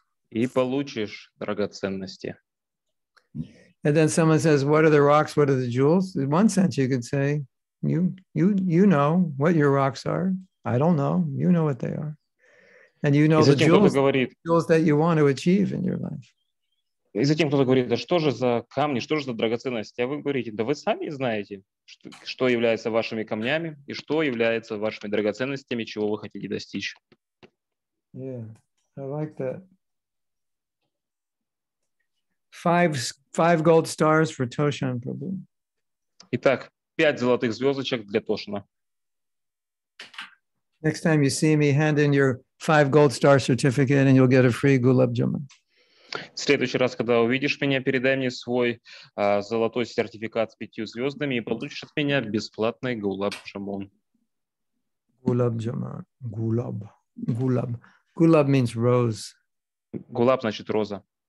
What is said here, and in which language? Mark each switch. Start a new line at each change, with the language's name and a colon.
Russian: И получишь драгоценности.
English: And then someone says, what are the rocks? What are the jewels? In one sense, you could say, you know what your rocks are. I don't know. You know what they are. And you know the jewels that you want to achieve in your life.
Russian: И затем кто-то говорит, да что же за камни, что же за драгоценности? А вы говорите, да вы сами знаете, что является вашими камнями и что является вашими драгоценностями, чего вы хотите достичь.
English: Yeah, I like that. Five gold stars for Toshan Prabhu.
Russian: Итак, 5 золотых звездочек для Тошана.
English: Next time you see me, hand in your 5 gold star certificate and you'll get a free gulab jamun.
Russian: В следующий раз, когда увидишь меня, передай мне свой золотой сертификат с 5 звездами и получишь от меня бесплатный гулаб джамун. Гулаб джамун. Гулаб. Гулаб. Гулаб
English: means rose.
Russian: Гулаб значит роза.